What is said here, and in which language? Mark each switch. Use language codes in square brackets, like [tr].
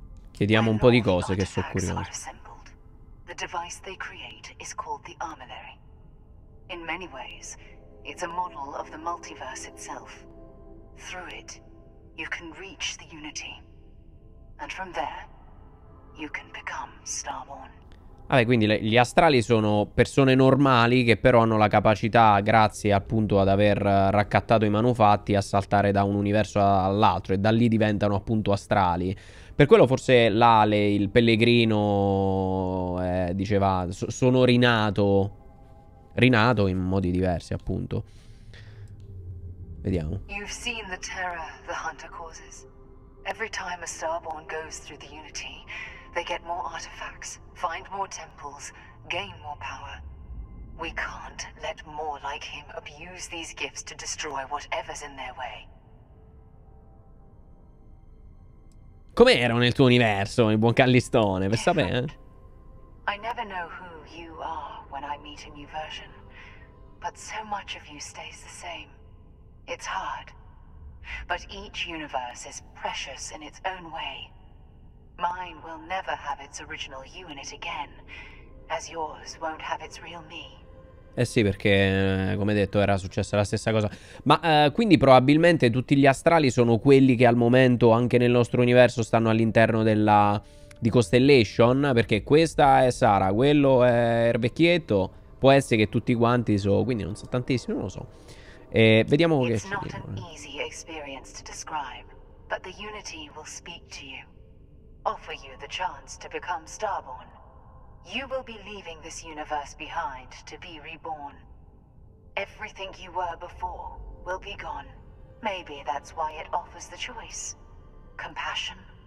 [it] Chiediamo un po' di cose che sono curioso. [en] The device they create is called the armillary. In many ways, it's a model of the multiverse itself. Through it, you can reach the Unity. And from there, you can become Starborn. [it] Vabbè, quindi gli astrali sono persone normali che però hanno la capacità, grazie appunto ad aver raccattato i manufatti, a saltare da un universo all'altro e da lì diventano appunto astrali. Per quello forse l'Ale, il pellegrino, diceva, sono rinato, rinato in modi diversi appunto. Vediamo. [en] You've seen the terror the hunter causes. Every time a Starborn goes through the Unity, they get more artifacts, find more temples, gain more power. We can't let more like him abuse these gifts to destroy whatever's in their way. [it] Com'ero nel tuo universo, il buon Callistone, per sapere? [en] I never know who you are when I meet a new version, but so much of you stays the same. It's hard. But each universe is precious in its own way. Mine will never have its original you in it again, as yours won't have its real me. [it] Eh sì, perché come detto era successa la stessa cosa. Ma quindi probabilmente tutti gli astrali sono quelli che al momento anche nel nostro universo stanno all'interno della di Constellation. Perché questa è Sara, quello è il vecchietto. Può essere che tutti quanti sono, quindi non so tantissimi, non lo so. E vediamo che ci dicono. [en] It's not an easy experience to describe, but the Unity will speak to you, offer you the chance to become Starborn. You will be leaving this universe behind to be reborn. Everything you were before will be gone. Maybe that's why it offers the choice. Compassion?